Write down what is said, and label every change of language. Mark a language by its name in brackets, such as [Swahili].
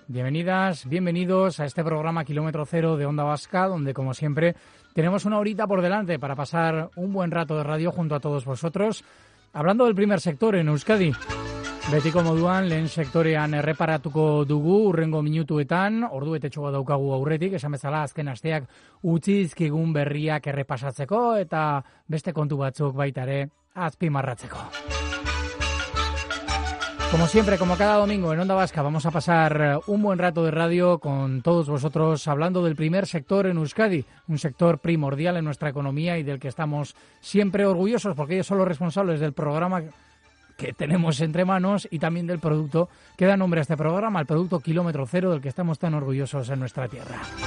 [Spanish] Bienvenidas, bienvenidos a este programa Kilómetro Cero de Onda Vasca, donde como siempre tenemos una horita por delante para pasar un buen rato de radio junto a todos vosotros, hablando del primer sector en Euskadi. [Basque] Betiko moduan, lehen sektorean erreparatuko dugu urrengo minutuetan, ordu etetxo bat daukagu aurretik, esan bezala azken asteak utzi dizkigun berriak errepasatzeko eta beste kontu batzuk baita ere azpimarratzeko. [Spanish] Como siempre, como cada domingo en Onda Vasca, vamos a pasar un buen rato de radio con todos vosotros hablando del primer sector en Euskadi, un sector primordial en nuestra economía y del que estamos siempre orgullosos porque ellos son los responsables del programa que tenemos entre manos y también del producto que da nombre a este programa, el producto Kilómetro Cero, del que estamos tan orgullosos en nuestra tierra.